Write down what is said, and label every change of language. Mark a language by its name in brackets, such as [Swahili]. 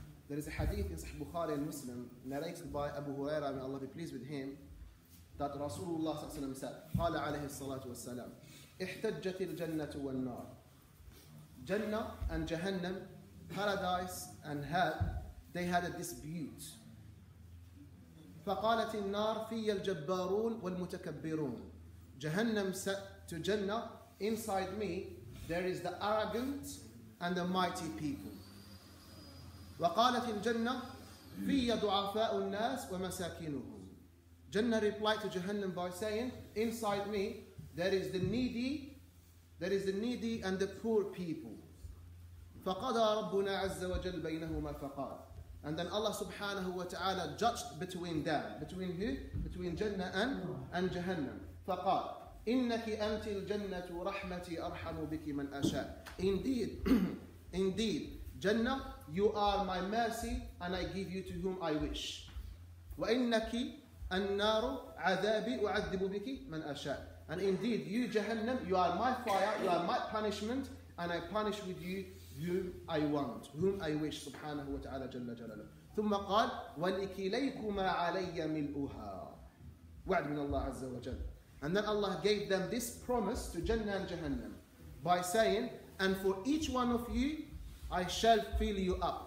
[English] There is a hadith in Sahih Bukhari al-Muslim narrated by Abu Huraira, may Allah be pleased with him, that Rasulullah said, [Arabic] قال عليه الصلاة والسلام احتجت الجنة والنار. [English] Jannah and Jahannam, paradise and hell, they had a dispute. [Arabic] فقالت النار في الجبارون والمتكبرون. [English] Jahannam said to Jannah, inside me there is the arrogant and the mighty people. [Arabic] وقالت الجنة في ضعفاء الناس ومساكينهم. [English] Jannah replied to Jahannam by saying, inside me there is the needy, there is the needy and the poor people. [Arabic] فقضى ربنا عز وجل بينهما فقال. [English] And then Allah subhanahu wa ta'ala judged between them. Between who? Between Jannah and Jahannam. [Arabic] فقال إنك أنت الجنة رحمتي أرحم بك من أشاء. [English] Indeed, indeed, Jannah, you are my mercy and I give you to whom I wish. [Arabic] وإنك النار عذابي أعذب بك من أشاء. [English] And indeed, you Jahannam, you are my fire, you are my punishment, and I punish with you whom I want, whom I wish, [Arabic] subhanahu wa ta'ala jalla jalala. ثم قال وَلِكِلَيْكُمَا عَلَيَّ مِلْءُهَا وَعْدُ مِنَ اللَّهِ عَزَّ وَجَلَّ. [English] And then Allah gave them this promise to Jannah and Jahannam by saying, and for each one of you, I shall fill you up.